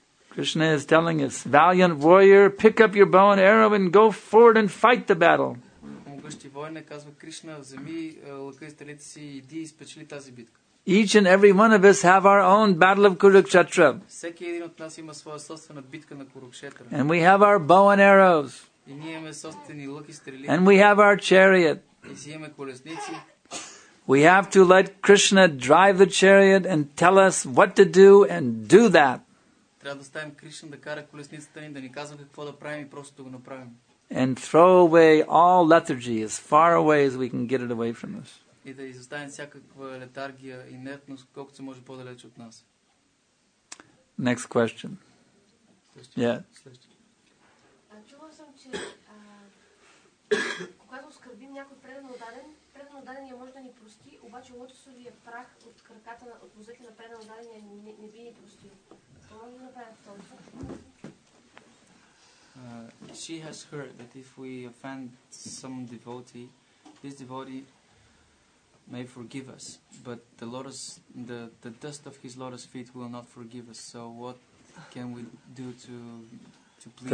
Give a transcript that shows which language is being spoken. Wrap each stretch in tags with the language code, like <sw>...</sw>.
<en>Krishna is telling us, valiant warrior, pick up your bow and arrow and go forward and fight the battle.</en> <bg>Могъщи воина казва, Кришна, вземи лъка и стрелите си и иди и спечели тази битка.</bg> <en>Each and every one of us have our own battle of Kurukshetra.</en> <bg>Всеки един от нас има своя собствена битка на Курукшетра.</bg> <en>And we have our bow and arrows.</en> <bg>И ние имаме собствени лук и стрели.</bg> <en>And we have our chariot.</en> <bg>И си имаме колесници.</bg> <en>We have to let Krishna drive the chariot and tell us what to do and do that.</en> <bg>Трябва да оставим Кришна да кара колесницата ни, да ни казва какво да правим и просто да го направим.</bg> <en>And throw away all lethargy as far away as we can get it away from us.</en> <bg>И да изоставим всякаква летаргия и нетност, колкото се може по-далеч от нас.</bg> <en>Next question.</en> <bg>Чувал съм, че когато оскърбим някой преданоданен я може да ни прости, обаче лотосовия прах от краката на отвозете на преданодания не би ни простил. Какво може да направим в този?</bg> <en>She has heard that if we offend some devotee, this devotee may forgive us, but the lotus, the dust of his lotus feet will not forgive us. So what can we do to please</en>